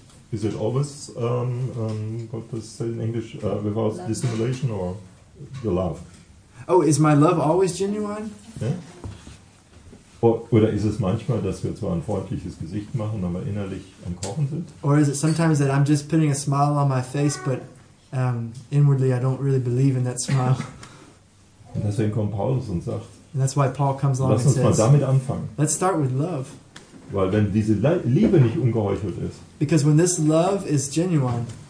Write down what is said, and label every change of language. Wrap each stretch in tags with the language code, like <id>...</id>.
<en>Is it always what does it say in English without dissimulation or the love? Oh, is my love always genuine? Yeah.</en> <de>Oder ist es manchmal, dass wir zwar ein freundliches Gesicht machen, aber innerlich am Kochen sind?</de> <en>Or is it sometimes that I'm just putting a smile on my face, but inwardly I don't really believe in that smile?</en> <de>Und deswegen kommt Paulus und sagt.</de> <en>And that's why Paul comes along and says.</en> <de>Lass uns mal damit anfangen.</de> <en>Let's start with love.</en> <de>Weil wenn diese Liebe nicht ungeheuchelt ist,</de> <en>because when this love is genuine,</en>